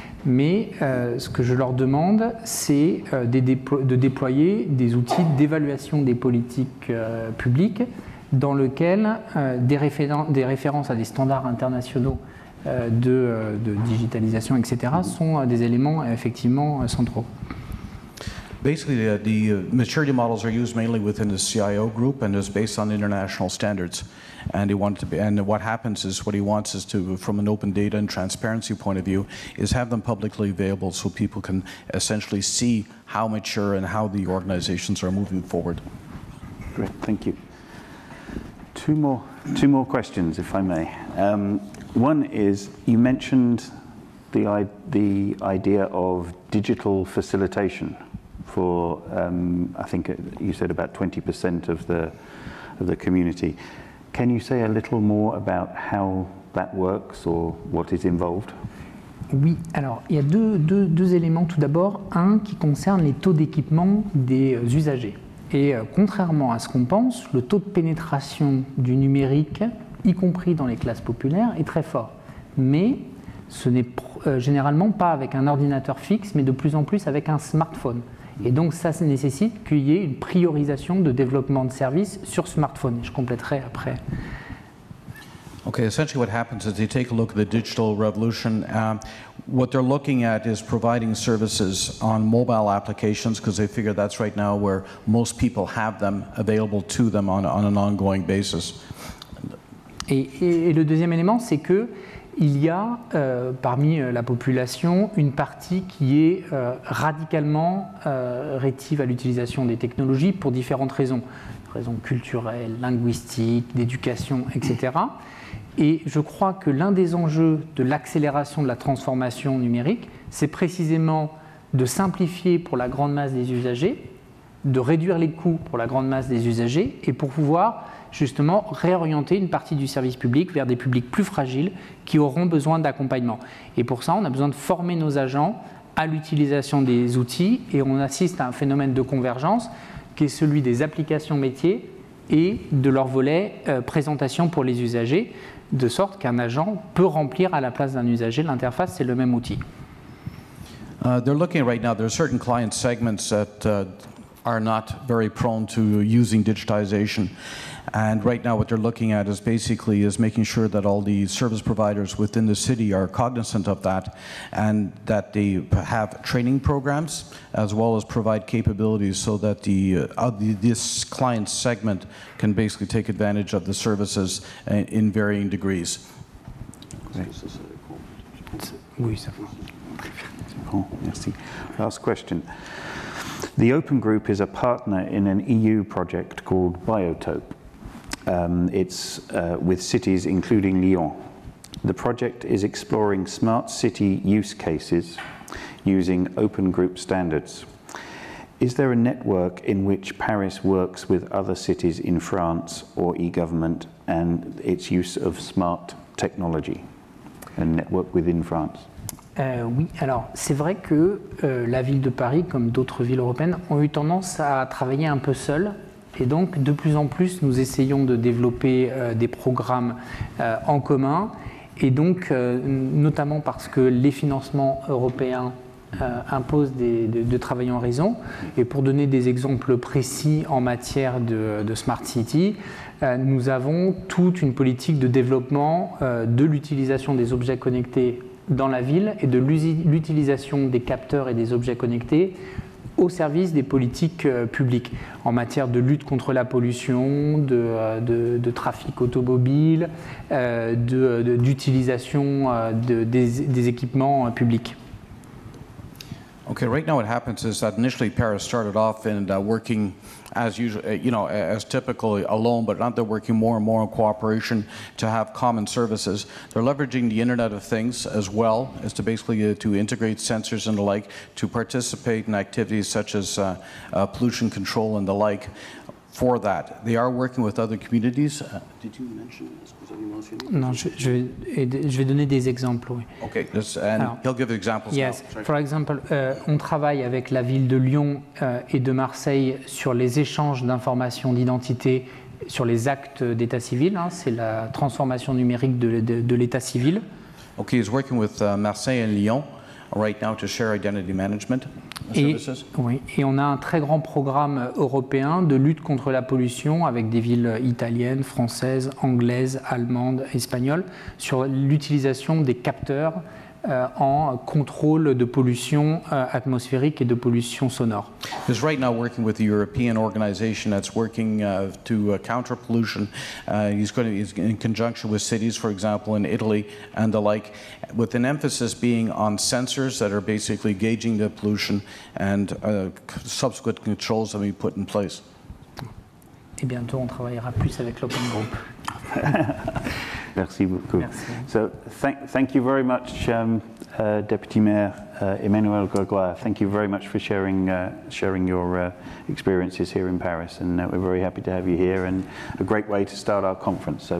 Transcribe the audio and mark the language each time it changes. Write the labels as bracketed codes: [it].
[fr] Mais ce que je leur demande, c'est de déployer des outils d'évaluation des politiques publiques dans lesquels des références à des standards internationaux de digitalization, etc., sont des éléments effectivement centraux. [en] Basically, the maturity models are used mainly within the CIO group and is based on international standards. And he wanted to be, and what happens is, what he wants is to, from an open data and transparency point of view, is have them publicly available so people can essentially see how mature and how the organizations are moving forward. Great, thank you. Two more questions, if I may. One is, you mentioned the idea of digital facilitation for, I think you said about 20% of the community. Can you say a little more about how that works or what is involved? [fr] Oui, alors il y a deux éléments. Tout d'abord, un qui concerne les taux d'équipement des usagers. Et contrairement à ce qu'on pense, le taux de pénétration du numérique, y compris dans les classes populaires, est très fort. Mais ce n'est généralement pas avec un ordinateur fixe, mais de plus en plus avec un smartphone. Et donc ça nécessite qu'il y ait une priorisation de développement de services sur smartphone. Je compléterai après. [en] Okay, essentially what happens is they take a look at the digital revolution. What they're looking at is providing services on mobile applications because they figure that's right now where most people have them available to them on an ongoing basis. [fr] Et le deuxième élément, c'est qu'il y a parmi la population une partie qui est radicalement rétive à l'utilisation des technologies pour différentes raisons. Raisons culturelles, linguistiques, d'éducation, etc. Et je crois que l'un des enjeux de l'accélération de la transformation numérique, c'est précisément de simplifier pour la grande masse des usagers, de réduire les coûts pour la grande masse des usagers et pour pouvoir justement réorienter une partie du service public vers des publics plus fragiles qui auront besoin d'accompagnement. Et pour ça, on a besoin de former nos agents à l'utilisation des outils et on assiste à un phénomène de convergence qui est celui des applications métiers et de leur volet présentation pour les usagers, de sorte qu'un agent peut remplir à la place d'un usager l'interface, c'est le même outil. [en] They're looking right now, there are certain client segments that are not very prone to using digitization. And right now what they're looking at is basically is making sure that all the service providers within the city are cognizant of that and that they have training programs as well as provide capabilities so that this client segment can basically take advantage of the services in varying degrees. [fr] Oui, ça va. Merci. [en] Last question. The Open Group is a partner in an EU project called Biotope. It's with cities including Lyon. The project is exploring smart city use cases using Open Group standards. Is there a network in which Paris works with other cities in France or e-government and its use of smart technology and network within France? [fr] Oui, alors c'est vrai que la ville de Paris, comme d'autres villes européennes, ont eu tendance à travailler un peu seules. Et donc, de plus en plus, nous essayons de développer des programmes en commun. Et donc, notamment parce que les financements européens imposent de travailler en réseau. Et pour donner des exemples précis en matière de Smart City, nous avons toute une politique de développement de l'utilisation des objets connectés dans la ville et de l'utilisation des capteurs et des objets connectés au service des politiques publiques en matière de lutte contre la pollution, de trafic automobile, d'utilisation des équipements publics. [en] Okay, right now what happens is that initially Paris started off and working as usual, you know, as typically alone, but now they're working more and more in cooperation to have common services. They're leveraging the Internet of Things as well as to basically to integrate sensors and the like to participate in activities such as pollution control and the like. For that, they are working with other communities. Did you mention? [fr] Non, je vais donner des exemples. Oui. [en] Okay, this, and alors, he'll give examples. Yes. Now. For example, [fr] on travaille avec la ville de Lyon et de Marseille sur les échanges d'informations d'identité sur les actes d'état civil. Hein, c'est la transformation numérique de l'état civil. [en] Okay, he's working with Marseille and Lyon right now to share identity management services. [fr] Oui, et on a un très grand programme européen de lutte contre la pollution avec des villes italiennes, françaises, anglaises, allemandes, espagnoles sur l'utilisation des capteurs en contrôle de pollution atmosphérique et de pollution sonore. [en] He's right now working with a European organization that's working to counter pollution. He's in conjunction with cities, for example, in Italy and the like, with an emphasis being on sensors that are basically gauging the pollution and subsequent controls that we put in place. [fr] Et bientôt, on travaillera plus avec l'Open Group. Merci beaucoup. Merci. [en] So thank you very much, Deputy Mayor Emmanuel Gregoire. Thank you very much for sharing your experiences here in Paris. And we're very happy to have you here and a great way to start our conference. So